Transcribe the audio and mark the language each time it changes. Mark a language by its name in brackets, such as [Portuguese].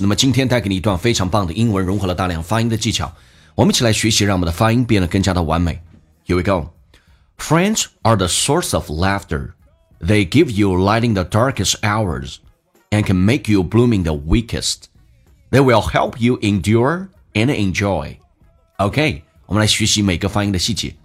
[Chinese] 那么今天带给你一段非常棒的英文，融合了大量发音的技巧，我们一起来学习，让我们的发音变得更加的完美。 [English] Here we go. Friends are the source of laughter. They give you light in the darkest hours and can make you bloom in the weakest. They will help you endure and enjoy. [Chinese] OK, 我们来学习每个发音的细节。